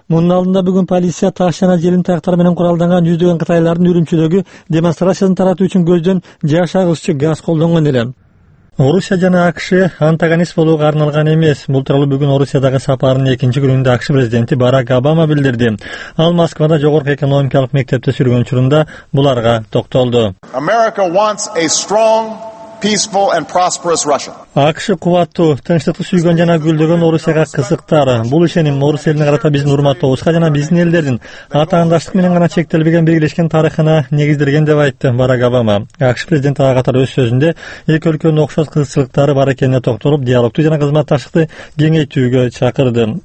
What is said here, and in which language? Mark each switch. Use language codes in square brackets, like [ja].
[ky] Мунун алдында бүгүн полиция таш жана желин таяктар менен куралданган жүздөгөн кытайлардын Үрүмчүдөгү демонстрацияны таратуу үчүн көздөн жаш агызчу газ колдонгон эле. Орусия жана АКШ антагонист болууга арналган эмес. Бул тууралуу бүгүн Орусиядагы сапарынын экинчи күнүндө АКШ президенти Барак Обама билдирди. Ал Москвада жогорку экономикалык мектепте сүргөн учурунда буларга токтолду. [en] America wants a strong, peaceful and prosperous Russia. [ky] АКШ кубаттуу, тынчтыкты сүйгөн жана гүлдөгөн Орусияга кызыктар. Бул ишеним Орус элине карата биздин урматтообузга жана биздин элдердин атаандаштык менен гана чектелбеген биргелешкен тарыхына негизделген деп айтты Барак Обама. АКШ президенти ага катар өз сөзүндө эки өлкөнүн окшош кызыкчылыктары бар экенине токтолуп, диалогту жана кызматташтыкты кеңейтүүгө чакырды.